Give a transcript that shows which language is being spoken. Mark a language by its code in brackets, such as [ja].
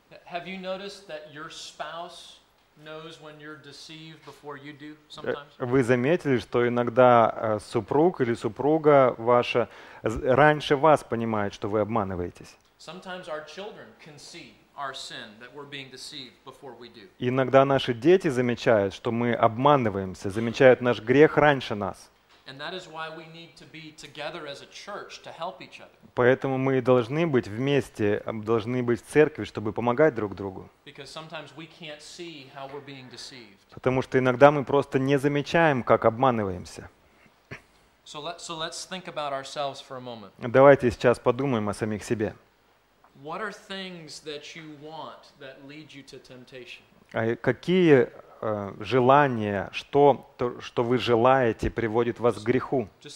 [en] Have you noticed that your spouse knows when you're deceived before you do sometimes? [ru] Вы заметили, что иногда супруг или супруга ваша раньше вас понимает, что вы обманываетесь? [en] Sometimes our children can see our sin, that we're being deceived before we do. [ru] Иногда наши дети замечают, что мы обманываемся, замечают наш грех раньше нас. [en] And that is why we need to be together as a church to help each other. [ru] Поэтому мы должны быть вместе, должны быть в церкви, чтобы помогать друг другу. [en] Because sometimes we can't see how we're being deceived. [ru] Потому что иногда мы просто не замечаем, как обманываемся. [en] So let's think about ourselves for a moment. [ru] Давайте сейчас подумаем о самих себе. [en] What are things that you want that lead you to temptation? [ru] А какие желание, что вы желаете, приводит вас к греху.